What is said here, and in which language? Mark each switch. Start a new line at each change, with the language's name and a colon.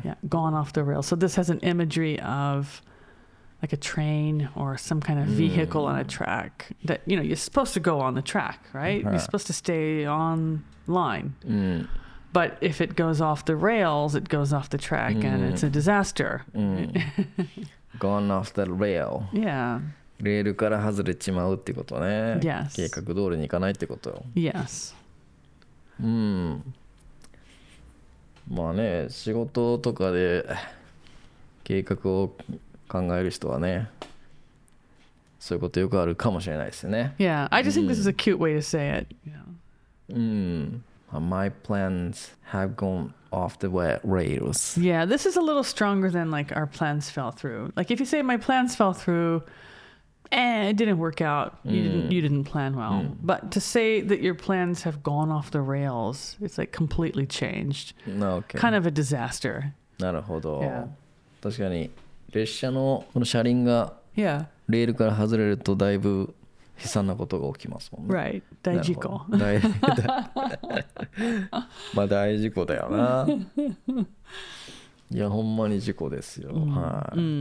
English: Yeah, gone off the rails. So this has an imagery of... like a train or some kind of vehicle on a track that, you know, you're supposed to go on the track, right? You're supposed to stay on line. But if it goes off the rails, it goes off the track and it's a disaster. Gone off the rail. Yeah.
Japanese: レールから外れちまうってことね。
English: Yes.
Japanese: 計画通りに行かないってこと。
English: Yes.
Japanese: まあね、仕事とかで計画を考える人はね、そういうことよくあるかもしれないですね。
English: Yeah, I just think this is a cute way to say it. My plans have gone off the rails. Yeah, this is a little stronger than like our plans fell through. Like if you say my plans fell through, it didn't work out. You didn't plan well. But to say that your plans have gone off the rails, it's like completely changed. Okay. Kind of a disaster.
Japanese: なるほど。
English: Yeah.
Japanese: 確かに。列車のこの車輪がレールから外れるとだいぶ悲惨なことが起きますもんね。
English: Right. 大事故
Japanese: まあ大事故だよな。いやほんまに事故ですよ、はい。